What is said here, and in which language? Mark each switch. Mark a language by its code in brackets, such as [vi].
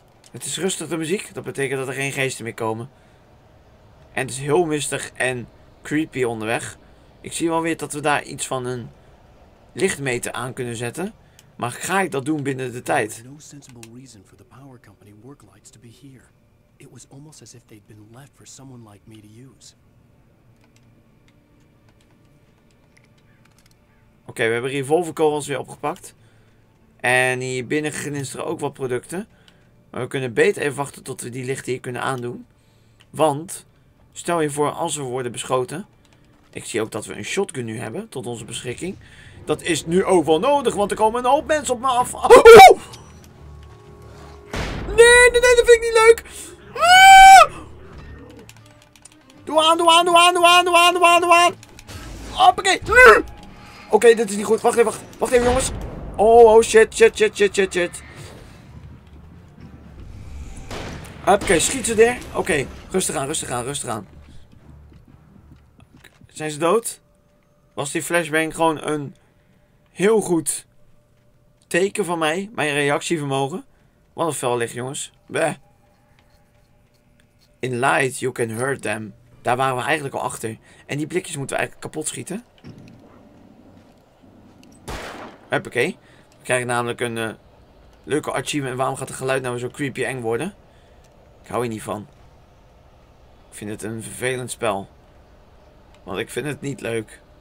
[nl] Het is rustig de muziek. Dat betekent dat er geen geesten meer komen. En het is heel mistig en creepy onderweg. Ik zie wel weer dat we daar iets van een lichtmeter aan kunnen zetten. Maar ga ik dat doen binnen de tijd? Er is geen [en] sensible reason for the power company work lights to be here. It was almost as if they'd been left for someone like me to use. [nl] Oké, okay, we hebben revolverkogels weer opgepakt. En hier binnen glinsteren ook wat producten. Maar we kunnen beter even wachten tot we die lichten hier kunnen aandoen. Want, stel je voor als we worden beschoten. Ik zie ook dat we een shotgun nu hebben tot onze beschikking. Dat is nu ook wel nodig, want er komen een hoop mensen op me af. Oh! Nee, nee, nee, dat vind ik niet leuk. Ah! Doe aan, doe aan, doe aan, doe aan, doe aan, doe aan, doe aan. Hoppakee. Oké, dit is niet goed. Wacht even, wacht even, jongens. Oh, oh, shit, shit, shit, shit, shit, shit. Hoppakee, schiet ze er. Oké, rustig aan. Zijn ze dood? Was die flashbang gewoon een heel goed teken van mij? Mijn reactievermogen? Wat een vuillicht, jongens. Bleh. [en] In light, you can hurt them. [nl] Daar waren we eigenlijk al achter. En die blikjes moeten we eigenlijk kapot schieten. Hoppakee. We krijgen namelijk een leuke achievement. En waarom gaat het geluid nou zo creepy eng worden? Ik hou hier niet van. Ik vind het een vervelend spel. Want ik vind het niet leuk.